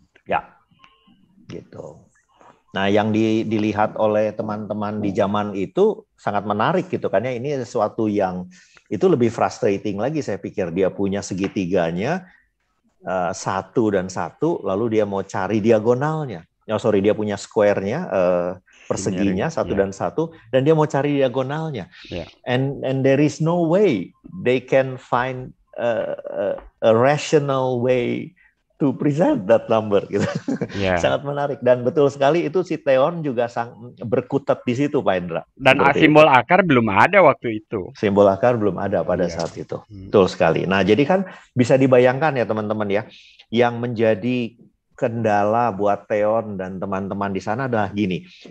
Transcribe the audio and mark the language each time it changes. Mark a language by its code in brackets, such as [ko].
[id] Ya, gitu. Nah, yang dilihat oleh teman-teman di zaman itu sangat menarik gitu kan ya. Ini sesuatu yang itu lebih frustrating lagi saya pikir. Dia punya segitiganya, satu dan satu, lalu dia mau cari diagonalnya. [en] Oh, sorry, [id] dia punya square-nya, perseginya, satu dan satu, dan dia mau cari diagonalnya. [en] Yeah. And there is no way they can find a rational way to present that number [id] gitu. Yeah. Sangat menarik, dan betul sekali itu si Theon juga sang berkutat di situ, Pak Hendra. Dan simbol akar belum ada waktu itu. Simbol akar belum ada pada saat itu. Betul sekali. Nah, jadi kan bisa dibayangkan ya teman-teman ya, yang menjadi kendala buat Theon dan teman-teman di sana adalah gini.